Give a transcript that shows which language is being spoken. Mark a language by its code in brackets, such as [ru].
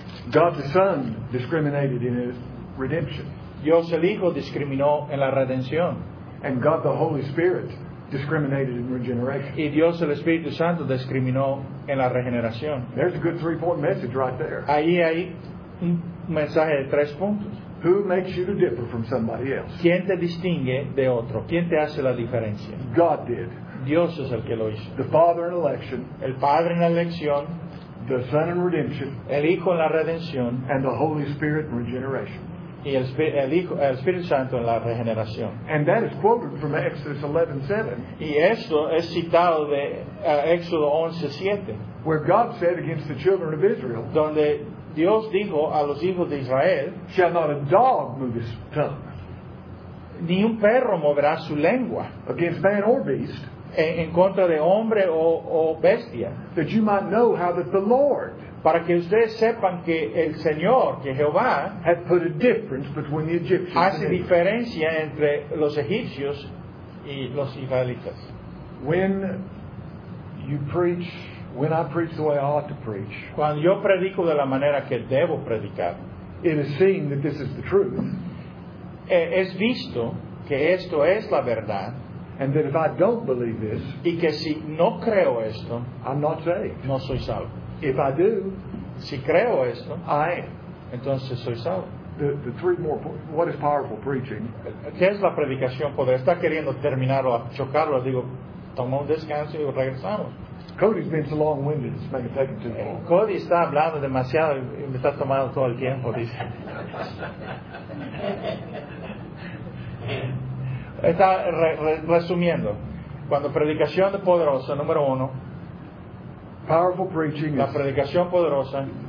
[en] God the Son discriminated in his redemption. [es] Dios el Hijo discriminó en la redención. [en] And God the Holy Spirit discriminated in regeneration. [es] Y Dios el Espíritu Santo discriminó en la regeneración. [en] There's a good 3-point message right there. [es] Ahí hay un mensaje de tres puntos. [en] Who makes you to differ from somebody else? [es] ¿Quién te distingue de otro? ¿Quién te hace la diferencia? [en] God did. [es] Dios es el que lo hizo. [en] The Father in election. [es] El Padre en la elección. [en] The Son in redemption. [es] El Hijo en la redención. [en] And the Holy Spirit in regeneration. [es] Y el Espíritu Santo en la regeneración. [en] And that is quoted from Exodus 11:7. [es] Y esto es citado de Éxodo 11:7. [en] Where God said against the children of Israel. [es] Donde Dios dijo a los hijos de Israel, [en] shall not a dog move his tongue? [es] Ni un perro moverá su lengua. [en] Against man or beast. [es] En contra de hombre o bestia. [en] That you might know how that the Lord, [es] para que ustedes sepan que el Señor, que Jehová, [en] hath put a difference between the Egyptians, [es] hace diferencia entre los egipcios y los israelitas. [en] When you preach when I preach the way I ought to preach, [es] cuando yo predico de la manera que debo predicar, [en] it is seen that this is the truth. [es] Es visto que esto es la verdad. [en] And that if I don't believe this, [es] y que si no creo esto, [en] I'm not saved. [es] No soy salvo. [en] If I do, [es] si creo esto, [en] I am. [es] Entonces soy salvo. [en] The three more points. What is powerful preaching? [es] ¿Qué es la predicación poder? Está queriendo terminarlo, chocarlo. Digo, toma un descanso y regresamos. [en] Cody's been so long-winded, it's maybe taking too long. [es] Cody está hablando demasiado y me está tomando todo el tiempo, dice. Está resumiendo. Cuando predicación de poderosa, número uno. [en] Powerful preaching [es] la predicación poderosa.